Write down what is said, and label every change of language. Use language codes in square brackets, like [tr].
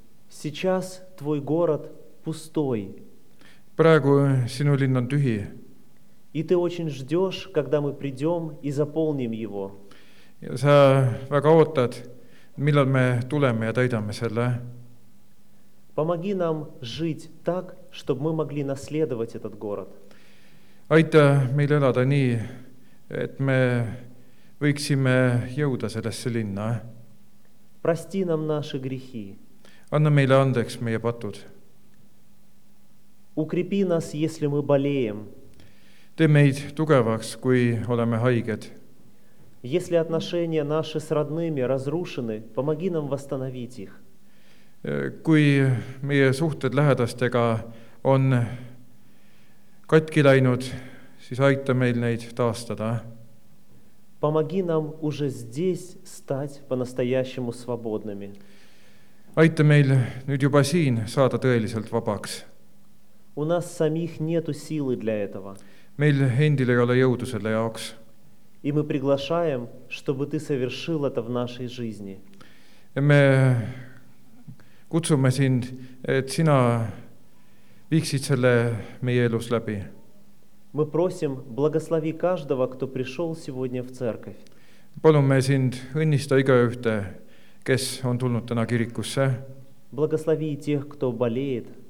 [ru] Сейчас твой город пустой. [et] Praegu sinu linn on tühi. [ru] И ты очень ждешь, когда мы придем и заполним его. [et] Ja sa väga ootad, millal me tuleme ja täidame selle. [ru] Помоги нам жить так, чтобы мы могли наследовать этот город. [et] Aita meil elada nii, et me võiksime jõuda sellesse linna. [ru] Прости нам наши грехи. [et] Anna meile andeks meie patud. [ru] Укрепи нас, если мы болеем. [et] Tee meid tugevaks, kui oleme haiged. [ru] Если отношения наши с родными разрушены, помоги нам восстановить их. [et] Kui meie suhted lähedastega on katki läinud, siis aita meil neid taastada. [ru] Помоги нам уже здесь стать по-настоящему свободными. [et] Aita meil nüüd juba siin saada tõeliselt vabaks. [ru] У нас самих нету силы для этого. [et] Meil endil ei ole jõudu selle jaoks. [ru] И мы приглашаем, чтобы ты совершил это в нашей жизни. [et] Ja me kutsume sind, et sina viiksid selle meie elus läbi. [ru] Мы просим, благослови каждого, кто пришел сегодня в церковь. [et] Palume sind õnnista igaühte, kes on tulnud täna kirikusse. [ru] Благослови тех, кто болеет.